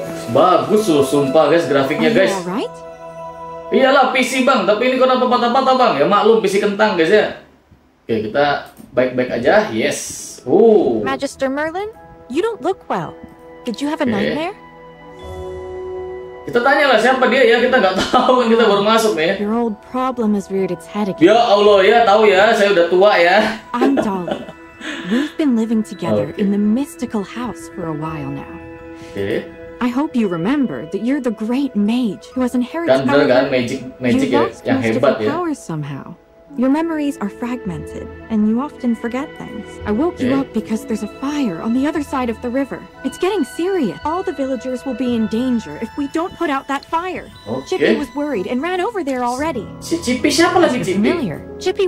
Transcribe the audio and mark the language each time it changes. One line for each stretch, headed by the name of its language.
Indonesian: Bagus loh, sumpah guys, grafiknya guys. Iyalah PC bang, tapi ini kenapa patah-patah bang? Ya maklum, PC kentang guys ya. Oke, kita baik-baik aja, yes.
English: Magister Merlin, you don't look well. Did you have a nightmare?
Indonesian: Kita tanya lah siapa dia ya, kita nggak tahu kan, kita baru masuk ya.
English: Your old problem has reared its head again.
Indonesian: Ya Allah ya, tahu ya, saya udah tua ya.
English: I'm Dolly. We've been living together in the mystical house for a while now. Oke. I hope you remember that you're the great mage who has inherited power.
Indonesian: Kan magic ya, yang hebat ya.
English: Power somehow. Your memories are fragmented and you often forget things. I woke you up because there's a fire on the other side of the river. It's getting serious. All the villagers will be in danger if we don't put out that fire. Okay. Chippy was worried and ran over there already. Chippy